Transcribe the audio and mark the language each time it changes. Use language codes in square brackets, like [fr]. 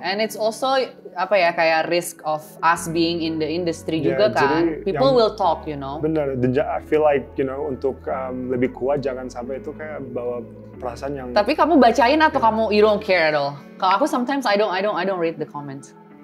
[en] And it's also, [id] apa ya, kayak [en] risk of us being in the industry, yeah, [id] juga kan. [en] People [id] yang, [en] will talk, you know. [id] Benar, [en] I feel like, you know, [id] untuk lebih kuat jangan sampai itu kayak bawa... perasaan yang... Tapi kamu bacain atau kamu [en] you don't care at all? [id] Kalau aku [en] sometimes I don't read the comments.